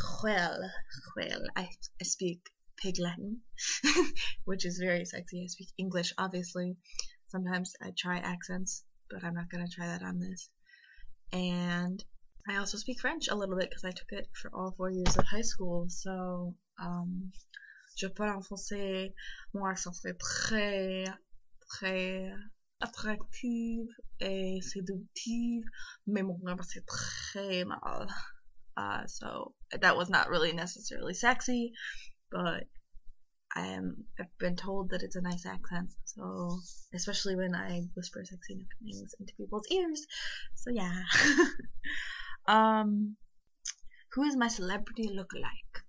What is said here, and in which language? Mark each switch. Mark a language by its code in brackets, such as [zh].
[en] Well, I speak Pig Latin, which is very sexy. I speak English, obviously. Sometimes I try accents, but I'm not going to try that on this. And I also speak French a little bit because I took it for all 4 years of high school. So, [fr] je parle en français, moi ça fait très attractif et séductif, mais mon grammaire c'est très mal. [en] So, that was not really necessarily sexy, but I've been told that it's a nice accent, so especially when I whisper sexy nicknames into people's ears. So yeah. Who is my celebrity lookalike?